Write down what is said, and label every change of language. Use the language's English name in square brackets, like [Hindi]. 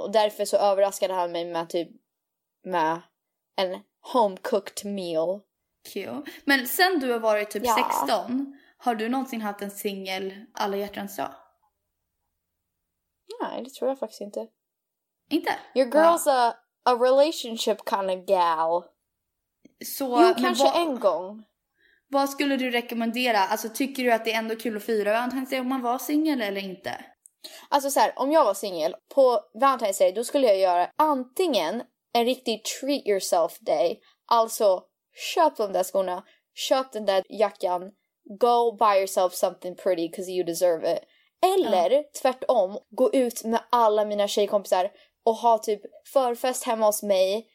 [Swedish] Och därför så överraskade han mig med typ... Med en [English] home-cooked meal. [Swedish] Cute. Men sen du har varit typ 16... Har du någonsin haft en singel Alla hjärtans dag? Nej, det tror jag faktiskt inte. Inte? [English] Your girl's a relationship kind of gal. [Swedish] Så, jo, kanske en gång. Vad skulle du rekommendera? Alltså, tycker du att det är ändå kul att fira Valentine's Day om man var singel eller inte? Alltså så här, om jag var singel på Valentine's Day, då skulle jag göra antingen en riktig [English] treat yourself day, [Swedish] alltså köp de där skorna, köp den där jackan, [English] go buy yourself something pretty because you deserve it, [Swedish] eller tvärtom, gå ut med alla mina tjejkompisar och ha typ förfest hemma hos mig.